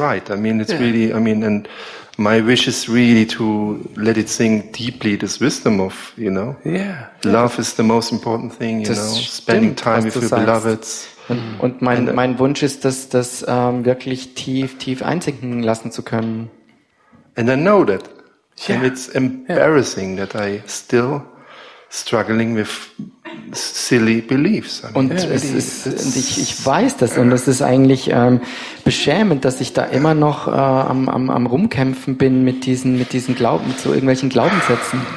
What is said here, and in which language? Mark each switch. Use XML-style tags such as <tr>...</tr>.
<en>I mean, and my wish is really to let it sink deeply, this wisdom of, you know, love is the most important thing, you</en> <de>das</de> <en>know,</en> <de>stimmt,</de> <en>spending time with your beloveds.</en> <de>Und mein Wunsch ist, dass das wirklich tief einsinken lassen zu können.</de> <en>And I know that. Yeah. And it's embarrassing that I still struggling with silly beliefs.</en> <de>Ich weiß das und es ist eigentlich beschämend, dass ich da immer noch am rumkämpfen bin mit diesen Glauben zu irgendwelchen Glaubenssätzen.</de>